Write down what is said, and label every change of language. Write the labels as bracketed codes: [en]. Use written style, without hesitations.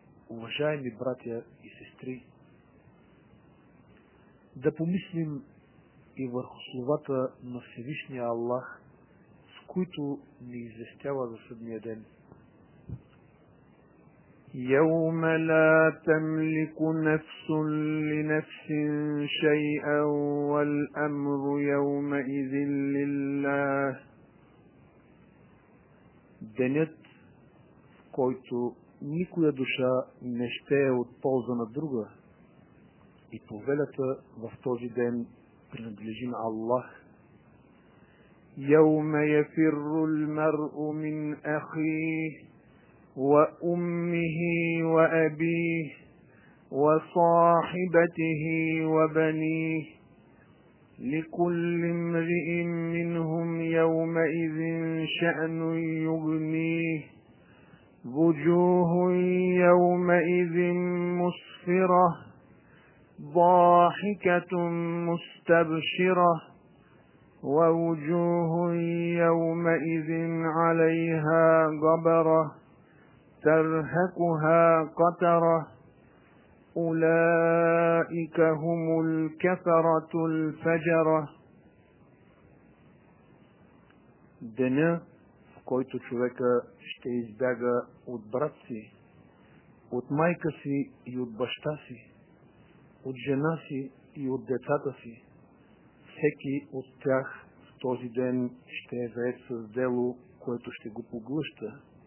[bg] Уважаеми братя и сестри, да помислим и върху словата на Всевишния Аллах, с които ни известява за съдния ден. [ar] يوم لا تملك نفس لنفس شيئا والأمر يومئذ لله. [bg] Денят, в който никоя душа не ще е от полза на друга, и повелята в този ден принадлежи на Аллах. [ar] يَوْمَ يَفِرُّ الْمَرْءُ مِنْ أَخِيهِ وَأُمِّهِ وَأَبِيهِ وَصَاحِبَتِهِ وَبَنِيهِ لِكُلِّ امْرِئٍ مِّنْهُمْ يَوْمَئِذٍ شَأْنٌ يُغْنِيهِ وُجُوهٌ يَوْمَئِذٍ مُّسْفِرَةٌ ضاحكة مستبشرة ووجوه يومئذ عليها غبرة ترهقها قترة أولئك هم الكفرة الفجرة دنيا [bg] който човека ще избяга от брат си, от майка си и от баща си, от жена си и от децата си. Всеки от тях в този ден ще е заед с дело, което ще го поглъща.